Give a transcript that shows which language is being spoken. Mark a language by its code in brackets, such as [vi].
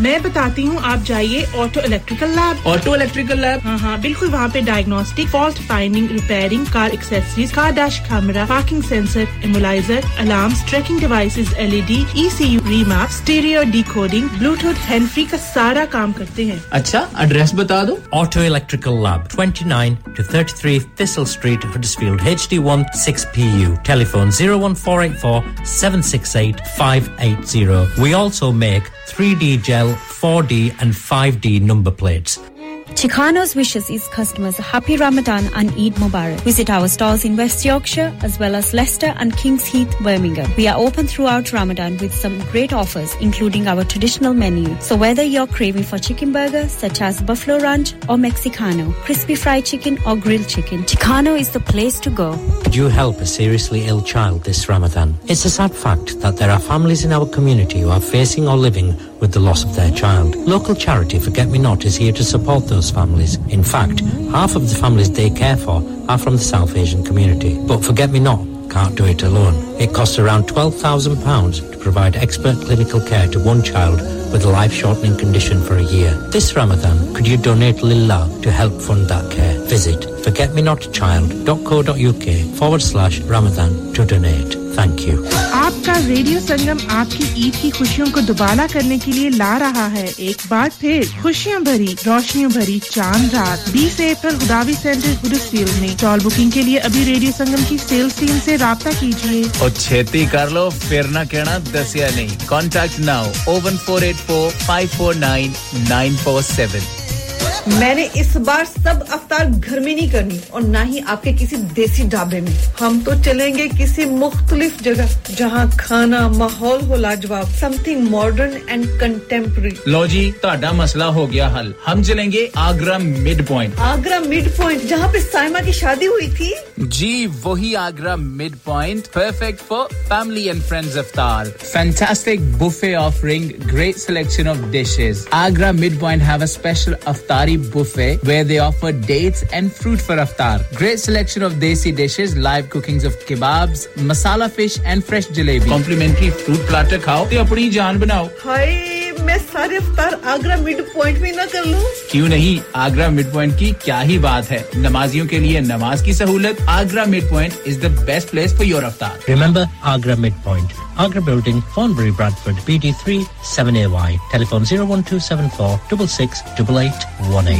[hi] मैं बताती हूँ आप जाइए ऑटो इलेक्ट्रिकल लैब हाँ हाँ बिल्कुल वहाँ पे diagnostic fault finding repairing car accessories car dash camera parking sensor इमोलाइजर alarm trekking devices LED ECU remap stereo decoding Bluetooth hand free का सारा काम करते हैं अच्छा एड्रेस बता दो auto electrical lab 29-33 thistle street Huddersfield HD1 6PU. [en] Telephone 01484-768-580. We also make 3D gel, 4D and 5D number plates. Chicano's wishes its customers a happy Ramadan and Eid Mubarak. Visit our stores in West Yorkshire as well as Leicester and King's Heath, Birmingham. We are open throughout Ramadan with some great offers including our traditional menu. So whether you're craving for chicken burger such as Buffalo Ranch or Mexicano, crispy fried chicken or grilled chicken, Chicano is the place to go. Could you help a seriously ill child this Ramadan? It's a sad fact that there are families in our community who are facing or living with the loss of their child. Local charity Forget Me Not is here to support those families. In fact, half of the families they care for are from the South Asian community. But Forget Me Not can't do it alone. It costs around £12,000 to provide expert clinical care to one child with a life-shortening condition for a year. This Ramadan, could you donate Lilla to help fund that care? Visit forgetmenotchild.co.uk/Ramadan to donate. Thank you. [hi] आपका radio संगम आपकी ईद की खुशियों को दुबला करने के लिए ला रहा है एक बार फिर खुशियां भरी रोशनियों भरी चांद रात 20 अप्रैल गुदावी सेंटर हुडर्सफील्ड में कॉल बुकिंग के लिए अभी रेडियो संगम की सेल्स टीम से राबता कीजिए [pa] और छेती कर लो फिर ना कहना दसिया नहीं [en] contact now [pa] 01484-549-947 [hi] मैंने इस बार सब अफ्तार घर में नहीं करनी और ना ही आपके किसी देसी ढाबे में हम तो चलेंगे किसी मुख्तलिफ जगह जहां खाना माहौल हो लाजवाब [en] something modern and contemporary [hi] लो जी ताड़ा मसला हो गया हल हम चलेंगे आगरा मिड पॉइंट जहां पे साइमा की शादी हुई थी [en] जी वही Agra mid point perfect for family and friends iftar fantastic buffet offering great selection of dishes Agra mid point have a special Iftari buffet where they offer dates and fruit for iftar. Great selection of desi dishes, live cookings of kebabs, masala fish and fresh jalebi. Complimentary fruit platter [pa] khao te apni jaan banao. [en] Hi. [hi] मैं सारे इफ्तार Agra mid point में ना कर लूं क्यों नहीं Agra mid point की क्या ही बात है नमाजियों के लिए नमाज की सहूलत [en] Agra mid point is the best place for your iftar remember Agra mid point Agra building Thornbury Bradford BD3 7AY telephone 01274-66818